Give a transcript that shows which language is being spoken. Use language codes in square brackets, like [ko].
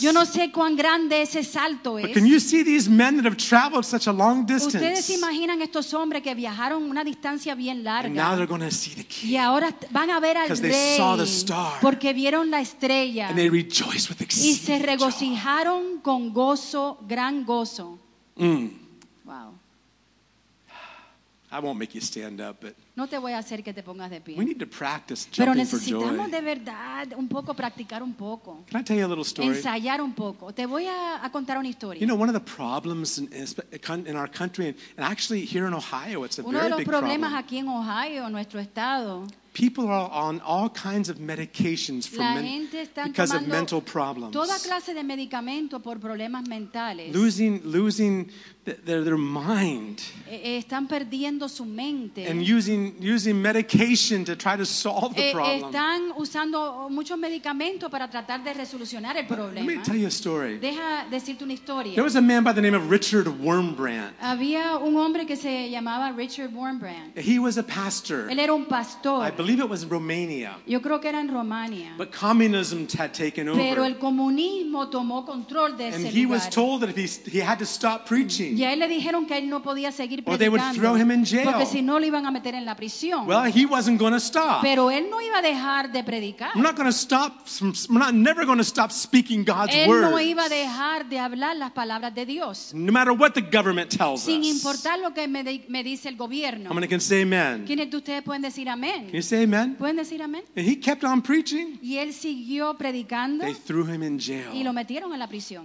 [es] Yo no sé cuán grande ese salto es. [en] But can you see these men that have traveled such a long distance? [es] ¿Ustedes se imaginan estos hombres que viajaron una distancia bien larga? [en] And now they're going to see the king. [es] Y ahora van a ver al [en] because [es] rey. [en] Because they saw the star. [es] Porque vieron la estrella. [en] And they rejoiced with exceeding [es] y se regocijaron [en] joy. [es] Con gozo, gran gozo. [en] Wow. I won't make you stand up, but [es] No te voy a hacer que te pongas de pie. [en] We need to practice jumping for joy. [es] Pero necesitamos de verdad un poco practicar un poco. [en] Can I tell you a little story? [es] Ensayar un poco. Te voy a contar una historia. [en] You know, one of the problems in our country, and actually here in Ohio, it's a very big problem. [es] Uno de los problemas aquí en Ohio, en nuestro estado. [en] People are on all kinds of medications because of mental problems. [es] Toda clase de medicamento por problemas mentales. [en] Losing their mind. [es] Están perdiendo su mente. [en] And using medication to try to solve the problem. [es] Están usando muchos medicamentos para tratar de resolucionar el problema. [en] Let me tell you a story. [es] Deja decirte una historia. [en] There was a man by the name of Richard Wurmbrand. [es] Había un hombre que se llamaba Richard Wurmbrand. [en] He was a pastor. [es] Él era un pastor. [en] I believe it was Romania. [es] Yo creo que era en Romania. [en] But communism had taken over. [es] Pero el comunismo tomó control de ese [en] and [es] lugar. [en] He was told that if he had to stop preaching. [es] Y a él le dijeron que él no podía seguir predicando. [en] Or they would throw him in jail. [es] Porque si no lo iban a meter en la prisión. [en] Well, he wasn't going to stop. [es] Pero él no iba a dejar de predicar. [en] We're not going to stop. We're not never going to stop speaking God's [es] él [en] words. [es] Él no iba a dejar de hablar las palabras de Dios. [en] No matter what the government tells [es] sin [en] us. [es] Sin importar lo que me dice el gobierno. [en] How many can say amen? [es] ¿Quiénes de ustedes pueden decir amén? [en] Can you say amen? [es] ¿Pueden decir amén? [en] And he kept on preaching. [es] Y él siguió predicando. [en] They threw him in jail. [es] Y lo metieron en la prisión.